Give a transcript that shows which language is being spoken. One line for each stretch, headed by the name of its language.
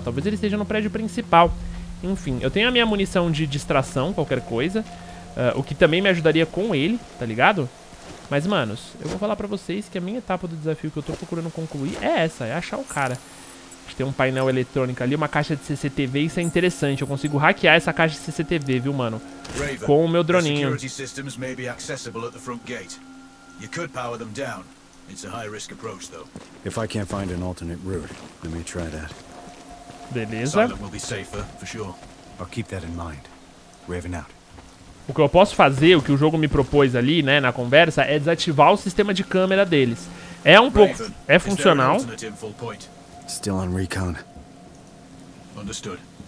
Portuguese: Talvez ele esteja no prédio principal. Enfim, eu tenho a minha munição de distração, qualquer coisa. O que também me ajudaria com ele, tá ligado? Mas, manos, eu vou falar pra vocês que a minha etapa do desafio que eu tô procurando concluir é essa. É achar o cara. A gente tem um painel eletrônico ali, uma caixa de CCTV. Isso é interessante. Eu consigo hackear essa caixa de CCTV, viu, mano? Com o meu droninho.
English: Security systems may be accessible at the front gate. You could power them down. It's a high risk approach though. If I can't find an alternate route, let me try that.
Portuguese: Beleza.
English: Silent will be safer, for sure. I'll keep that in mind. Raven out.
Portuguese: O que eu posso fazer, o que o jogo me propôs ali, né, na conversa, é desativar o sistema de câmera deles. É um pouco, é funcional.
English: Still on recon. Understood.